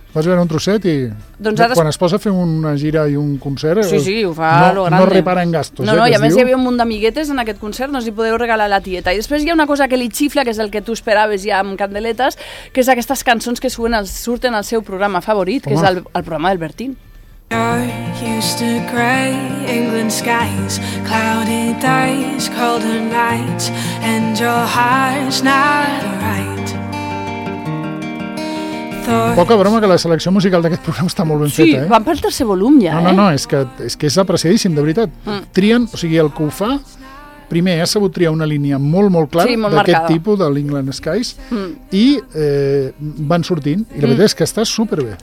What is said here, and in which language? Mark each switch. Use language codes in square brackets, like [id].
[ca] Vas veure un trosset i... Doncs ara... Quan es posa a fer una gira i un concert... Sí, ho fa no, [es] a lo grande. [ca] No repara en gastos, no, que i a més hi havia un munt d'amiguetes en aquest concert, doncs hi podeu regalar a la tieta. I després hi ha una cosa que li xifla, que és el que tu esperaves ja amb Candeletes, que és aquestes cançons que surten al seu programa favorit, que és el programa del Bertín. [en] I used to cry, England skies, cloudy days, colder nights, and your heart's not right. [ca] Poca broma, que la selecció musical d'aquest programa està molt ben feta, eh? Sí, van pel tercer volum ja, No, no, és que és apreciadíssim, de veritat. Trien, o sigui, el que ho fa, primer, ha sabut triar una línia molt, molt clara, sí, d'aquest tipus, de l'England Skies, i van sortint, i la veritat és que està superbé.